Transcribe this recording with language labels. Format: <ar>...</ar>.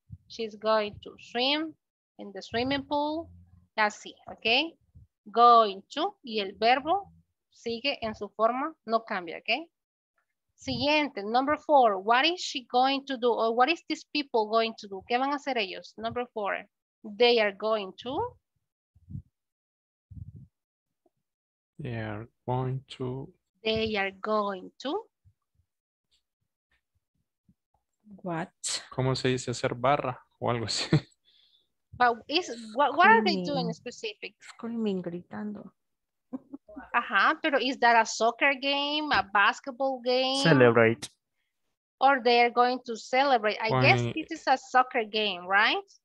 <en>She's going to swim in the swimming pool.</en> <es>Así, ¿ok?</es> <en>Going to,</en> <es>y el verbo sigue en su forma, no cambia, ¿ok?</es> <en>Siguiente, number four. What is she going to do? Or what is these people going to do?</en> <es>¿Qué van a hacer ellos?</es> <en>Number four. They are going to. They are going to. They are going to. What?</en> <es>¿Cómo se dice hacer barra o algo así?</es> <en>But is, what are they doing in specific? Screaming, gritando.</en> <es>Ajá, pero</es> <en>is that a soccer game, a basketball game? Celebrate. Or they're going to celebrate. I guess this is a soccer game, right?</en>